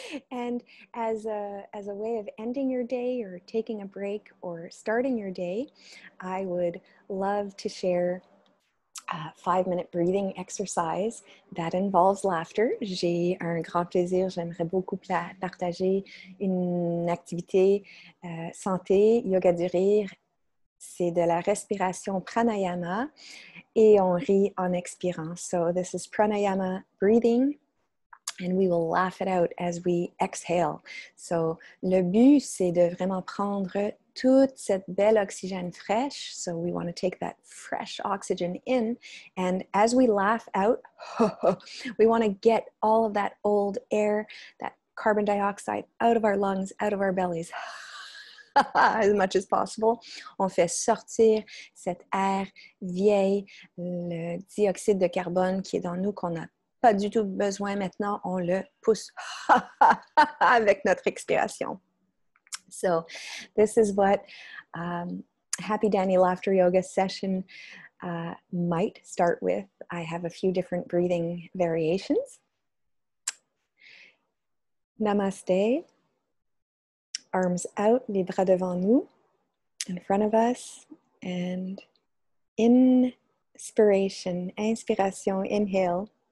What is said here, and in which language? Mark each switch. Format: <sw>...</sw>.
<en>And as a way of ending your day or taking a break or starting your day, I would love to share a 5-minute breathing exercise that involves laughter.</en> <fr>J'ai un grand plaisir, j'aimerais beaucoup partager une activité santé, yoga du rire. C'est de la respiration pranayama et on rit en expirant.</fr> <en>So this is pranayama breathing. And we will laugh it out as we exhale.</en> <fr>So, le but, c'est de vraiment prendre toute cette belle oxygène fraîche.</fr> <en>So, we want to take that fresh oxygen in. And as we laugh out, we want to get all of that old air, that carbon dioxide, out of our lungs, out of our bellies. As much as possible.</en> <fr>On fait sortir cet air vieil, le dioxyde de carbone qui est dans nous, qu'on a pas du tout besoin maintenant, on le pousse avec notre expiration.</fr> <en>So, this is what Happy Dani Laughter Yoga session might start with. I have a few different breathing variations. Namaste. Arms out,</en> <fr>les bras devant nous,</fr> <en>in front of us, and inspiration, inspiration, inhale.</en>